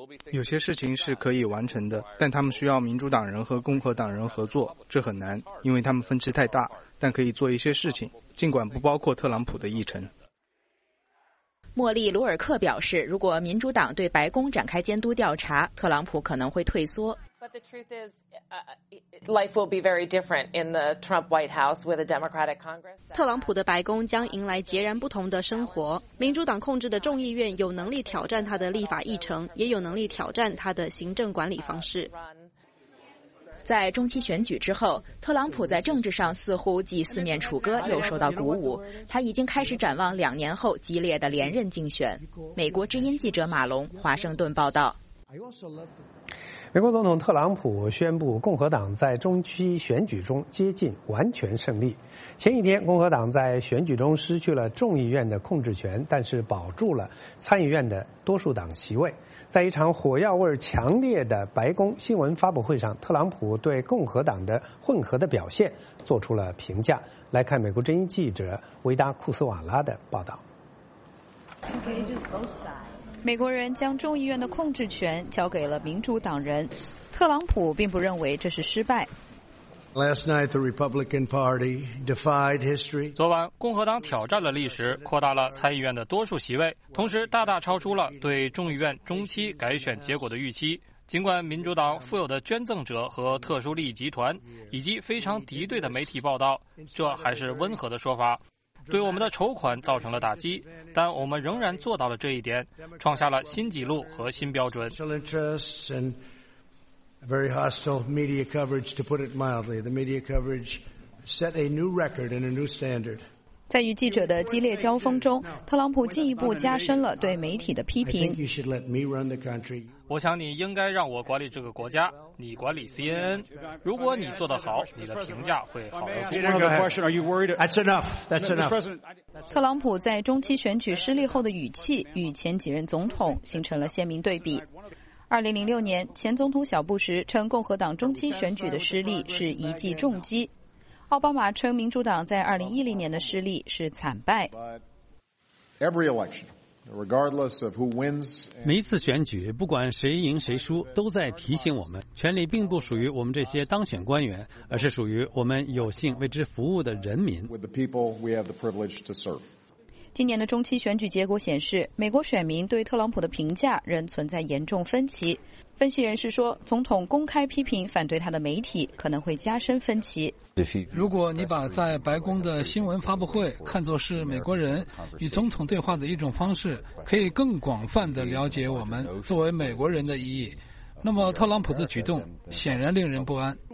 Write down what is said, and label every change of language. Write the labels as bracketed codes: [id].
[zh] 有些事情是可以完成的，但他们需要民主党人和共和党人合作，这很难，因为他们分歧太大，但可以做一些事情，尽管不包括特朗普的议程。莫莉·鲁尔克表示，如果民主党对白宫展开监督调查，特朗普可能会退缩。 [en] But the truth is, life will be very different in the Trump White House with a Democratic Congress. [zh] 特朗普的白宫将迎来截然不同的生活。民主党控制的众议院有能力挑战他的立法议程，也有能力挑战他的行政管理方式。在中期选举之后，特朗普在政治上似乎既四面楚歌又受到鼓舞，他已经开始展望两年后激烈的连任竞选。美国之音记者马龙，华盛顿报道。美国总统特朗普宣布共和党在中期选举中接近完全胜利。前一天，共和党在选举中失去了众议院的控制权，但是保住了参议院的多数党席位。在一场火药味强烈的白宫新闻发布会上，特朗普对共和党的混合的表现做出了评价。来看美国之音记者维达库斯瓦拉的报道。美国人将众议院的控制权交给了民主党人，特朗普并不认为这是失败。 [en] Last night, the Republican Party defied history. [zh] 昨晚，共和党挑战了历史，扩大了参议院的多数席位，同时大大超出了对众议院中期改选结果的预期。尽管民主党富有的捐赠者和特殊利益集团，以及非常敌对的媒体报道，这还是温和的说法。对我们的筹款造成了打击，但我们仍然做到了这一点，创下了新纪录和新标准。 [en] Very hostile media coverage, to put it mildly. The media coverage set a new record and a new standard. [zh] 在与记者的激烈交锋中，特朗普进一步加深了对媒体的批评。 [en] I think you should let me run the country. [zh] 我想你应该让我管理这个国家，你管理 CNN。如果你做得好，你的评价会好得多。 [en] That's enough. That's enough. [zh] 特朗普在中期选举失利后的语气与前几任总统形成了鲜明对比。 2006年，前总统小布什称共和党中期选举的失利是一记重击，奥巴马称民主党在2010年的失利是惨败。 [en] Every election, regardless of who wins, [zh] 每一次选举，不管谁赢谁输，都在提醒我们，权力并不属于我们这些当选官员，而是属于我们有幸为之服务的人民。 [en] With the people we have the privilege to serve. [zh] 今年的中期选举结果显示，美国选民对特朗普的评价仍存在严重分歧。分析人士说，总统公开批评反对他的媒体可能会加深分歧。如果你把在白宫的新闻发布会看作是美国人与总统对话的一种方式，可以更广泛地了解我们作为美国人的意义，那么特朗普的举动显然令人不安。